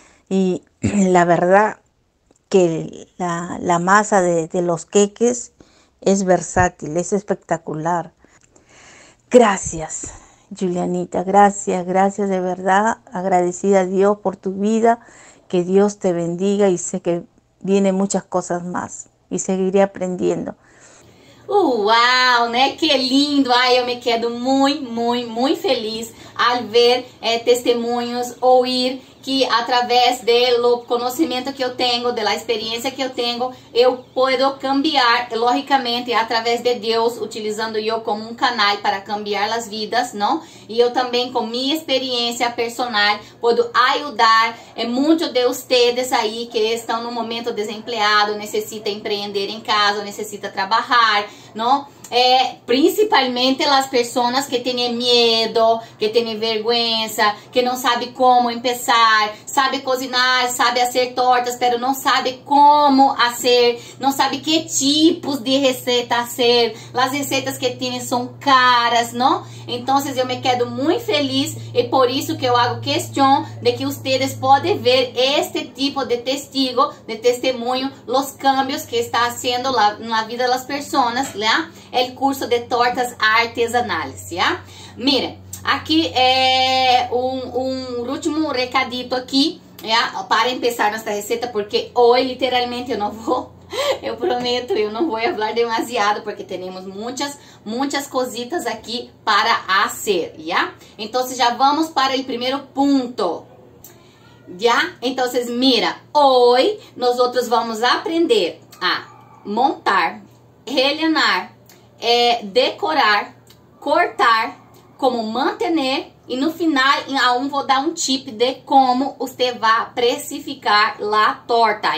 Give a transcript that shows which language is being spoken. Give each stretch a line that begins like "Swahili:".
Spanish: Y la verdad que la masa de los queques es versátil, es espectacular. Gracias, Julianita. Gracias, gracias de verdad. Agradecida a Dios por tu vida. Que Dios te bendiga y sé que vienen muchas cosas más y seguiré aprendiendo.
Portuguese: Uau, né? Que lindo! Ai, eu
Spanish: me quedo
Portuguese: muito, muito, muito feliz ao ver testemunhos, ouvir que através do conhecimento que eu tenho, da experiência que eu tenho, eu posso cambiar, logicamente, através de Deus, utilizando eu como um canal para cambiar as vidas, não? E eu também, com minha experiência personal, posso ajudar muitos de vocês aí que estão no momento desempregado, necessita empreender em casa, necessita trabalhar, não? Principalmente as pessoas que têm medo, que têm vergonha, que não sabe como começar, sabe cozinhar, sabe fazer tortas, mas não sabe como fazer, não sabe que tipos de receita fazer. As receitas que têm são caras, não? Então, eu
Spanish: me quedo
Portuguese: muito feliz e por isso que eu hago questão de que vocês podem ver este tipo de testigo, de testemunho, os cambios que está fazendo na vida das pessoas, né?
Spanish: El curso de tortas artesanales, ¿ya? Mira, aquí un último recadito aquí, ¿ya? Para empezar nuestra receta,
Portuguese: porque hoy literalmente eu prometo, eu não vou falar demasiado, porque temos muitas, muitas cositas aqui para fazer, ¿ya? Então, já vamos para o primeiro ponto. ¿Ya? Então, mira, hoy nós outros vamos aprender a montar, rellenar, decorar, cortar, como manter e no final eu vou dar um tip de como você vai precificar a torta.